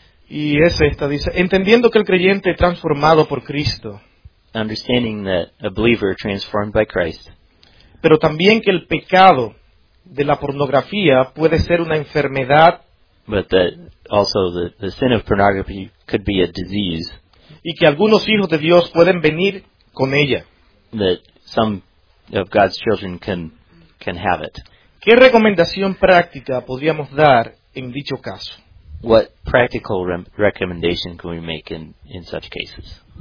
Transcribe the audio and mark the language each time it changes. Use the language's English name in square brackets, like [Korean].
[Spanish] Y es esta, dice, entendiendo que el creyente transformado por Cristo. [English] Understanding that a believer transformed by Christ. [Spanish] Pero también que el pecado de la pornografía puede ser una enfermedad. [English] But that also the sin of pornography could be a disease. [Spanish] Y que algunos hijos de Dios pueden venir con ella. [English] That some of God's children can have it. [Spanish] ¿Qué recomendación práctica podríamos dar en dicho caso? [English] What practical recommendation can we make in such cases?